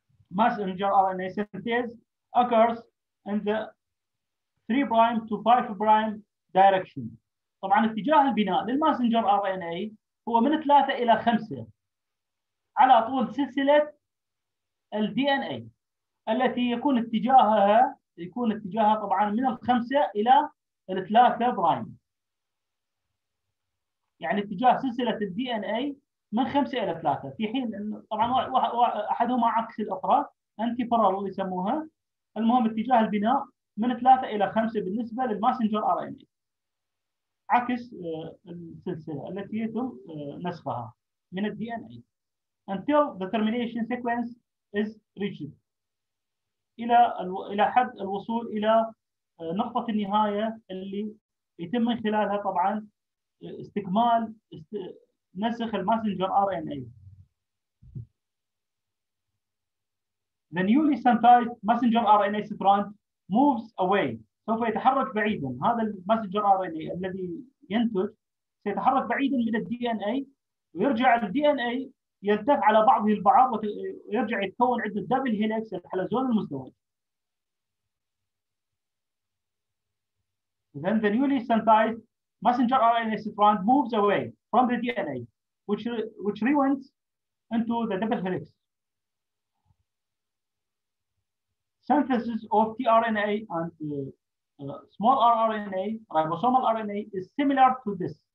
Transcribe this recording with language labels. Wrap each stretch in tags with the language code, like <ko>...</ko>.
<en>Messenger RNA synthesis occurs in the 3 prime to 5 prime direction.</en> <ar>طبعا اتجاه البناء للماسنجر ار ان اي هو من 3 الى 5 على طول سلسله الدي ان اي التي يكون اتجاهها طبعا من 5 الى 3 برايم. يعني اتجاه سلسله الدي ان اي من 5 الى 3، في حين طبعا احدهما عكس الاخرى انتي بارالل يسموها. المهم اتجاه البناء من 3 الى 5 بالنسبه للماسنجر ار ان اي عكس السلسله التي يتم نسخها من الدي ان اي</ar> <en>until the termination sequence is reached</en> <ar>الى حد الوصول الى نقطه النهايه اللي يتم من خلالها طبعا استكمال نسخ الماسنجر ار ان اي.</ar> <en>The newly synthesized messenger RNA strand moves away.</en> <ar>سوف يتحرك بعيدا. هذا المسنجر ار ان اي الذي ينتج سيتحرك بعيدا من الدي ان اي، ويرجع الدي ان اي يلتف على بعضه البعض ويرجع يتكون عنده دبل هيليكس الحلزون المزدوج.</ar> <en>Then the newly synthesized messenger RNA strand moves away from the DNA which rewinds into the double helix. synthesis of tRNA and small rRNA, ribosomal RNA is similar to this.</en>